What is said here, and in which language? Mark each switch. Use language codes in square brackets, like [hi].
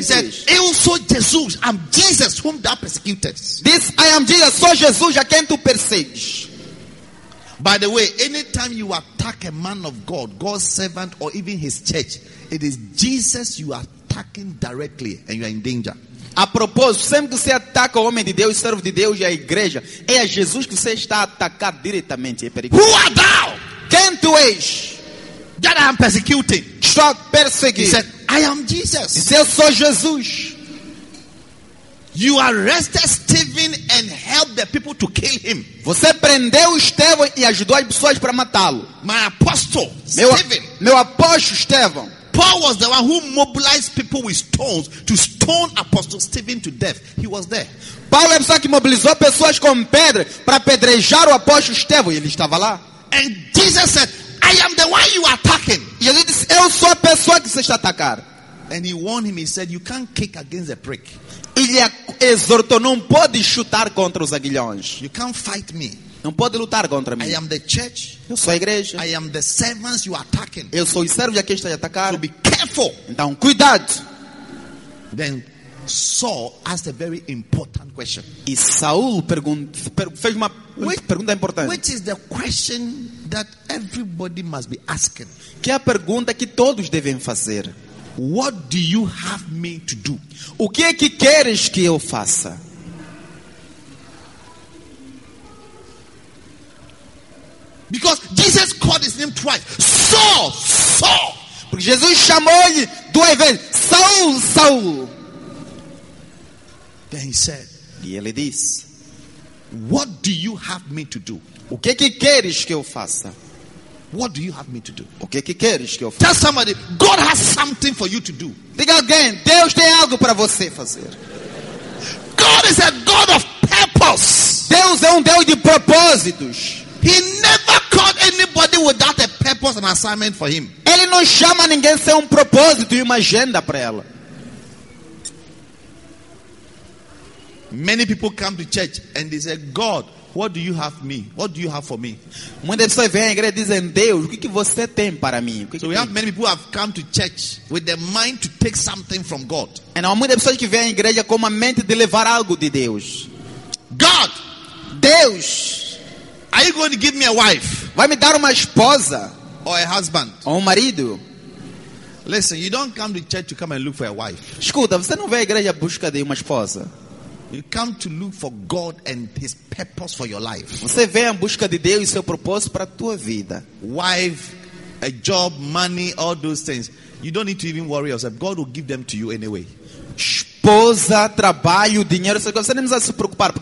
[en] he said, [pt] eu sou Jesus, [en] I'm Jesus whom thou persecutest. This, I am Jesus, [pt] sou Jesus a quem tu persegues. [en] By the way, anytime you attack a man of God, God's servant or even his church, it is Jesus you are attacking directly and you are in danger. [pt] A propósito, sempre que você ataca o homem de Deus, servo de Deus e a igreja, é a Jesus que você está a atacar diretamente. É perigoso. [en] Who are thou? [pt] Quem tu és? [en] That I am persecuting. [pt] Estou a perseguir. [en] He said, I am Jesus. [pt] Disse, eu sou Jesus. [en] You arrested Stephen and helped the people to kill him. [pt] Você prendeu Estevão e ajudou as pessoas para matá-lo. [en] My apostle, Stephen. [pt] Meu apóstolo Estevão. [en] Paul was the one who mobilized people with stones to stone Apostle Stephen to death. He was there. [pt] Paulo é o que mobilizou pessoas com pedra para apedrejar o apóstolo Estevão. Ele estava lá. [en] And Jesus said, I am the one you are attacking. [pt] E ele disse, eu sou a pessoa que você está a atacar. [en] And he warned him, he said, you can't kick against the prick. [pt] Ele exortou, não pode chutar contra os aguilhões. [en] You can't fight me. [pt] Não pode lutar contra mim. [en] I am the church. [pt] Eu sou a igreja. [en] I am the servants you are attacking. [pt] Eu sou o servo de quem está a atacar. [en] So be careful. [pt] Então, cuidado. [en] Then Saul asked a very important question. [pt] E Saul fez uma pergunta importante. [en] Which is the question that everybody must be asking? [pt] Que é a pergunta que todos devem fazer. [en] What do you have me to do? [pt] O que é que queres que eu faça? [en] Because Jesus called his name twice. Saul, Saul. [pt] Porque Jesus chamou-lhe duas vezes. Saul, Saul. [en] Then he said, [pt] e ele disse, [en] what do you have me to do? [pt] O que é que queres que eu faça? [en] What do you have me to do? [pt] O que é que queres que eu faça? [en] Tell somebody, God has something for you to do. [pt] Diga alguém, Deus tem algo para você fazer. [en] God is a God of purpose. [pt] Deus é Deus de propósitos. [en] He never called anybody without a purpose and assignment for him. [pt] Ele não chama ninguém sem propósito e uma agenda para ela. [en] Many people come to church and they say, God, what do you have me? What do you have for me? [pt] Muitas pessoas vêm à igreja e dizem, Deus, o que você tem para mim? [en] So we have many people who have come to church with the mind to take something from God. [pt] E há muitas pessoas que vêm à igreja com a mente de levar algo de Deus. [en] God, [pt] Deus, [en] are you going to give me a wife? [pt] Vai me dar uma esposa? [en] Or a husband? [pt] Ou marido? [en] Listen, you don't come to church to come and look for a wife. [pt] Escuta, você não vem à igreja busca de uma esposa. [en] You come to look for God and His purpose for your life. [pt] Você vem em busca de Deus e seu propósito para tua vida. [en] Wife, a job, money, all those things. You don't need to even worry yourself. God will give them to you anyway. [pt] Esposa, trabalho, dinheiro, essas coisas. Você não precisa se preocupar.